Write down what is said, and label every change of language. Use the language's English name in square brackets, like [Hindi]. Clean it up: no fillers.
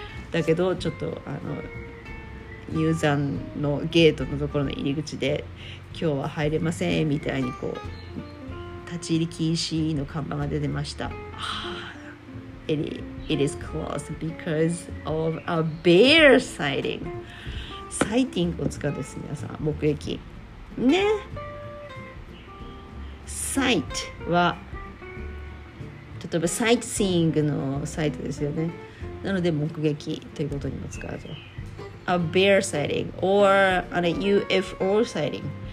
[Japanese] だけどちょっとあの入山のゲートのところの入り口で今日は入れませんみたいにこう立ち入り禁止の看板が出てました。 [English] It is closed because of a bear sighting。 [Japanese] サイティングを使うんです皆さん、目撃ね。 Sight は例えばサイトシーイングのサイトですよね。なので目撃ということにも使うと、 [English] A bear sighting or a UFO sighting。